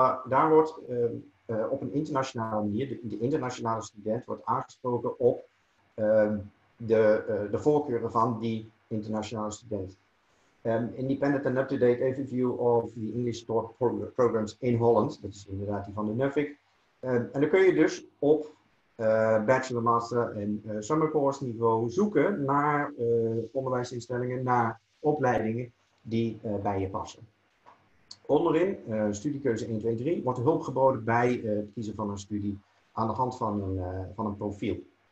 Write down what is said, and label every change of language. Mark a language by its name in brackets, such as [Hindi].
[Dutch] Daar wordt op een internationale manier, de internationale student wordt aangesproken op de voorkeuren van die internationale student. [English] Independent and up-to-date overview of the English taught programs in Holland. [Dutch] Dat is inderdaad die van de Nuffic. En dan kun je dus op bachelor, master en summer course niveau zoeken naar onderwijsinstellingen, naar opleidingen die bij je passen. Onderin, studiekeuze 1, 2, 3, wordt hulp geboden bij het kiezen van een studie aan de hand van een profiel.